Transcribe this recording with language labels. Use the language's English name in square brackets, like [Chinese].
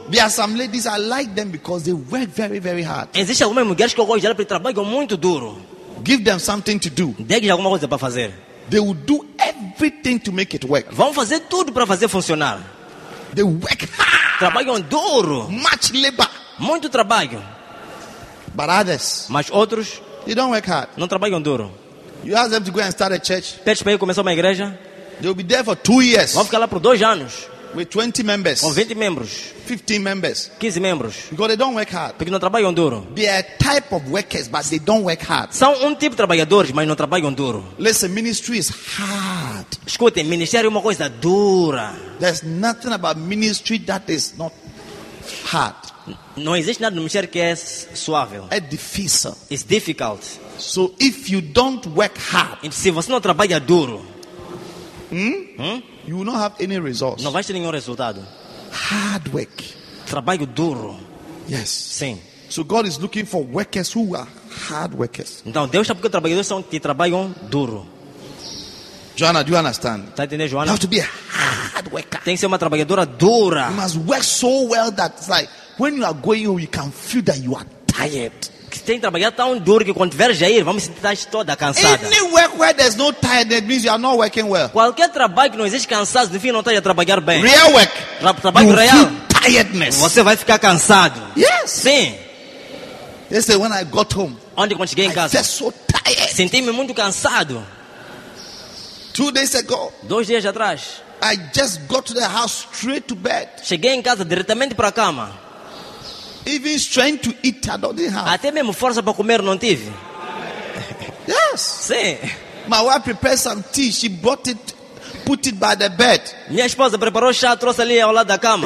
[English] There are some ladies, I like them because they work very, very hard. [Portuguese] Existem algumas mulheres que eu gosto delas porque trabalham muito duro. [English] Give them something to do. [Portuguese] Dê-lhes alguma coisa para fazer. [English] They will do everything to make it work. [Portuguese] Vão fazer tudo para fazer funcionar. [English] They work hard. [Portuguese] Trabalham duro. [English] Much labor. [Portuguese] Muito trabalho. [English] But others. [Portuguese] Mas outros. [English] They don't work hard. [Portuguese] Não trabalham duro. [English] You ask them to go and start a church. [Portuguese] Pede para ele começar uma igreja. [English] They'll be there for 2 years. [Portuguese] Vão ficar lá por 2 anos. [English] With 20 members. [Portuguese] Com 20 membros. [English] 15 members. [Portuguese] 15 membros. [English] Because they don't work hard. [Portuguese] Porque não trabalham duro. [English] They are type of workers, but they don't work hard. [Portuguese] São tipo de trabalhadores, mas não trabalham duro. [English] Listen, ministry is hard. [Portuguese] Escutem, ministério é uma coisa dura. [English] There's nothing about ministry that is not hard. [Portuguese] Não existe nada no ministério que é suave. É difícil. [English] It's difficult. So if you don't work hard, [Portuguese] se você não trabalha duro, [English] you will not have any results. [Portuguese] Não vai ter nenhum resultado. [English] Hard work. [Portuguese] Trabalho duro. [English] Yes. [Portuguese] Sim. [English] So God is looking for workers who are hard workers. [Portuguese] Então Deus está procurando trabalhadores são que trabalham duro. [English] Joana, do you understand? [Portuguese] Tá entendendo, Joana? [English] You have to be a hard worker. [Portuguese] Tem que ser uma trabalhadora dura. [English] You must work so well that it's like when you are going home, you can feel that you are tired. [Portuguese] Tem que trabalhar tão duro que quando tiver jair, vamos sentir toda cansada. [English] Any work where there's no tiredness means you are not working well. [Portuguese] Qualquer trabalho que não existe cansado, enfim, não está a trabalhar bem. [English] Real work. [Portuguese] Trabalho real. [English] Tiredness. [Portuguese] Você vai ficar cansado. [English] Yes. [Portuguese] Sim. [English] They say when I got home. [Portuguese] Onde quando cheguei em casa. [English] I felt so tired. [Portuguese] Senti-me muito cansado. [English] 2 days ago. [Portuguese] 2 dias atrás. [English] I just got to the house straight to bed. [Portuguese] Cheguei em casa diretamente para a cama. [English] Even strength to eat, I didn't have. [Portuguese] Até mesmo força para comer não tive. [English] Yes. [Portuguese] Sim. [English] My wife prepared some tea. She brought it, put it by the bed. [Portuguese] Minha esposa preparou chá, trouxe ali ao lado da cama.